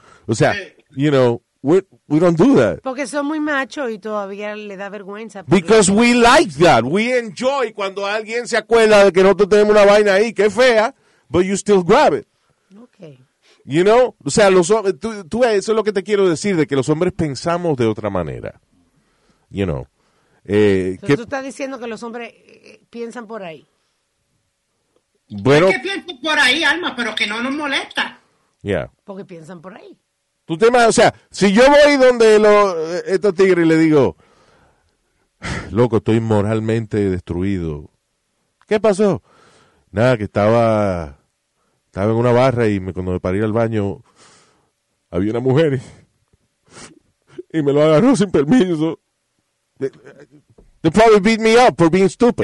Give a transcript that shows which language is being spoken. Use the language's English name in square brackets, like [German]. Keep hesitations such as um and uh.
[Spanish] O sea, [English] you know, we, we don't do that. [Spanish] Porque son muy machos y todavía le da vergüenza. [English] Because we like that. We enjoy [Spanish] cuando alguien se acuerda de que nosotros tenemos una vaina ahí que es fea, [English] but you still grab it. Okay. You know? [Spanish] O sea, los, tú, tú, eso es lo que te quiero decir, de que los hombres pensamos de otra manera. [English] You know? [Spanish] Eh, Entonces, que, tú estás diciendo que los hombres piensan por ahí. Bueno, no ¿Qué pienso por ahí, Alma, pero que no nos molesta. [English] Yeah. [Spanish] Porque piensan por ahí. Tu tema, o sea, si yo voy donde estos tigres y le digo, loco, estoy moralmente destruido. ¿Qué pasó? Nada, que estaba, estaba en una barra y me, cuando me parí al baño, había una mujer y, y, me lo agarró sin permiso. [English] They probably beat me up for being stupid.